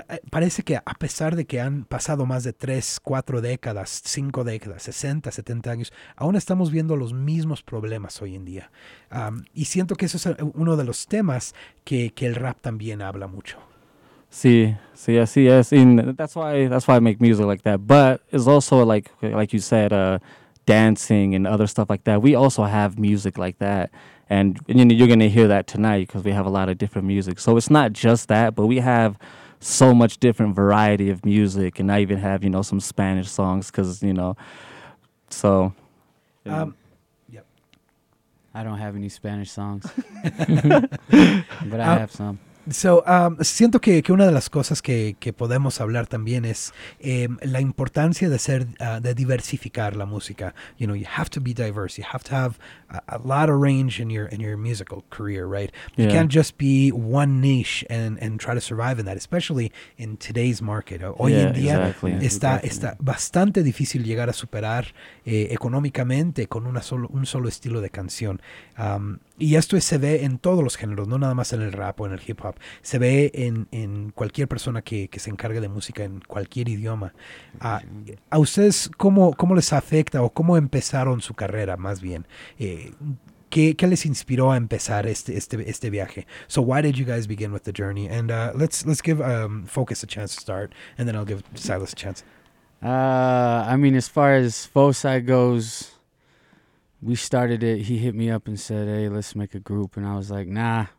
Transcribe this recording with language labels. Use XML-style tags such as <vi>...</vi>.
<es>Parece que, a pesar de que han pasado más de 3, 4 décadas, 5 décadas, 60, 70 años, aún estamos viendo los mismos problemas hoy en día. Y siento que eso es uno de los temas que el rap también habla mucho. Sí, así es.</es> <en>That's why I make music like that. But it's also like you said, dancing and other stuff like that. We also have music like that. And you're going to hear that tonight, because we have a lot of different music. So it's not just that, but we have so much different variety of music, and I even have, you know, some Spanish songs, because, you know, so. Yeah. I don't have any Spanish songs, but I have some.</en> <es>So, siento que una de las cosas que podemos hablar también es la importancia de ser de diversificar la música.</es> <en>You know, you have to be diverse. You have to have a lot of range in your musical career, right? Yeah. You can't just be one niche and try to survive in that, especially in today's market.</en> <es>Hoy en día está bastante difícil llegar a superar económicamente con un solo estilo de canción. Y esto se ve en todos los géneros, no nada más en el rap o en el hip hop. Se ve en cualquier persona que se encargue de música en cualquier idioma. ¿A ustedes cómo les afecta o cómo empezaron su carrera, más bien? ¿Qué les inspiró a empezar este viaje?</es> <en>So why did you guys begin with the journey? And let's give Focus a chance to start, and then I'll give Silas a chance. As far as Foci goes, we started it. He hit me up and said, hey, let's make a group. And I was like, nah.</en>